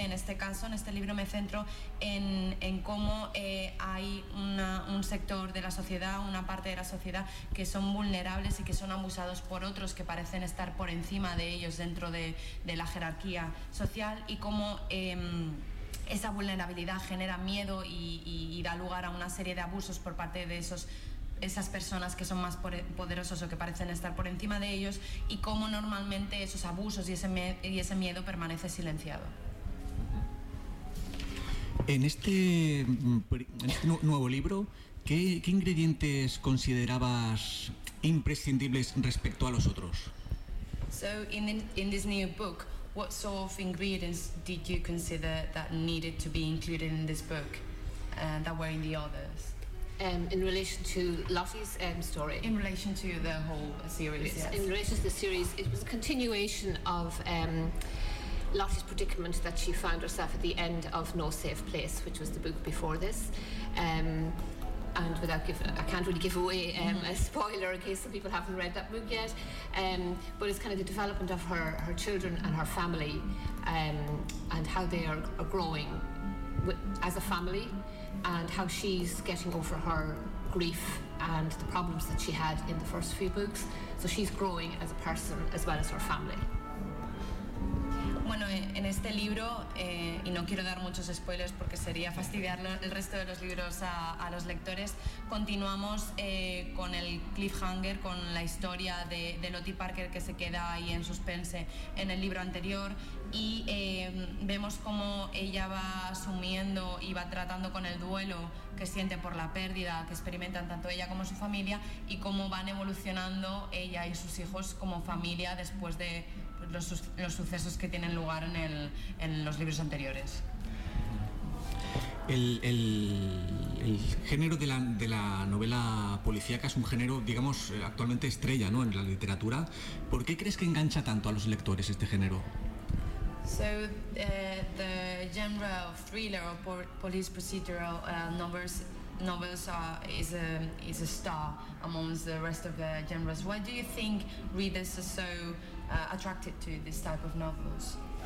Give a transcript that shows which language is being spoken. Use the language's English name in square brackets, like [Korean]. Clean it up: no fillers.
[Spanish] En este caso, en este libro, me centro en cómo hay un sector de la sociedad, una parte de la sociedad, que son vulnerables y que son abusados por otros que parecen estar por encima de ellos dentro de la jerarquía social, y cómo esa vulnerabilidad genera miedo y da lugar a una serie de abusos por parte de esas personas que son más poderosos o que parecen estar por encima de ellos, y cómo normalmente esos abusos y ese miedo permanece silenciado. En este nuevo libro, ¿qué ingredientes considerabas imprescindibles respecto a los otros? [English] So in this new book, what sort of ingredients did you consider that needed to be included in this book that were in the others? In relation to Lottie's story? In relation to the whole series, yes. In relation to the series, it was a continuation of Lottie's predicament that she found herself at the end of No Safe Place, which was the book before this. I can't really give away a spoiler in case some people haven't read that book yet, but it's kind of the development of her children and her family, and how they are growing as a family, and how she's getting over her grief and the problems that she had in the first few books. So she's growing as a person as well as her family. [Spanish] Bueno, en este libro, y no quiero dar muchos spoilers porque sería fastidiar el resto de los libros a los lectores, continuamos con el cliffhanger, con la historia de Lottie Parker, que se queda ahí en suspense en el libro anterior, y vemos cómo ella va asumiendo y va tratando con el duelo que siente por la pérdida que experimentan tanto ella como su familia, y cómo van evolucionando ella y sus hijos como familia después de los sucesos que tienen lugar en los libros anteriores. El género de la novela policíaca es un género, digamos, actualmente estrella, ¿no?, en la literatura. ¿Por qué crees que engancha tanto a los lectores este género? [English] So the genre of thriller or police procedural novels is a star amongst the rest of the genres. Why do you think readers are so attracted to this type of novels?